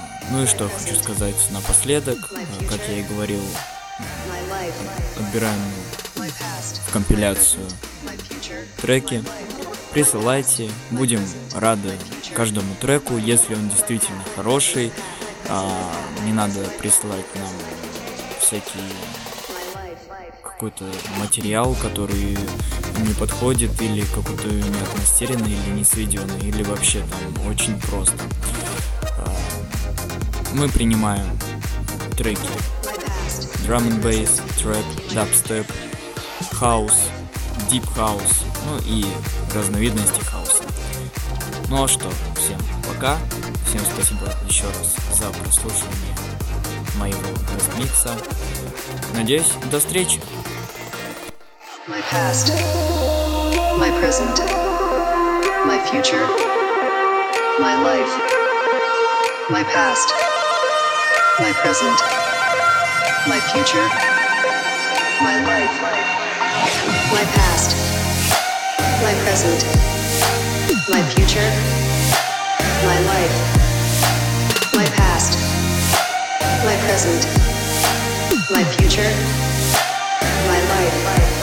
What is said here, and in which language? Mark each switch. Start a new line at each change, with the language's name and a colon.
Russian: Ну и что хочу сказать напоследок, как я и говорил, отбираем в компиляцию треки, присылайте, будем рады каждому треку, если он действительно хороший, не надо присылать нам всякие... какой-то материал, который не подходит, или какой-то неотмастеренный, или не сведенный, или вообще там очень просто. Мы принимаем треки Drum and Bass, Trap, Dubstep, House, Deep House, ну и разновидности хаоса. Ну а что, всем пока, всем спасибо еще раз за прослушивание моего микса. Надеюсь, до встречи!
English: My past, my present, my future, my life, my past, my present, my future, my life, my past, my present, my future, my life, my past, my present, my future, my life.